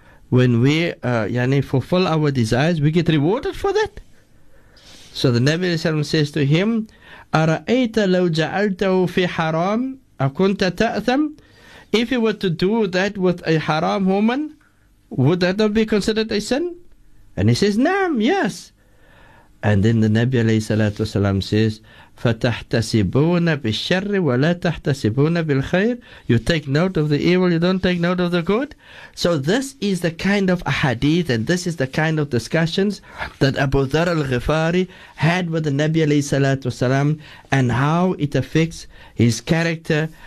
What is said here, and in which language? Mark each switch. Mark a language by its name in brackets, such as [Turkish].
[English] When we fulfill our desires, we get rewarded for that. So the Nabi says to him, [Arabic] أرأيت لو جعلته في حرام أكنت تأثم. [English] If you were to do that with a haram woman, would that not be considered a sin? And he says, Naam, yes. And then the Nabi alayhi salatu wasalam says, [Arabic] فَتَحْتَسِبُونَ بِالشَّرِّ وَلَا تَحْتَسِبُونَ بِالْخَيْرِ. [English] You take note of the evil, you don't take note of the good. So this is the kind of ahadith and this is the kind of discussions that Abu Dharr al-Ghifari had with the Nabi alayhi salatu wasalam and how it affects his character.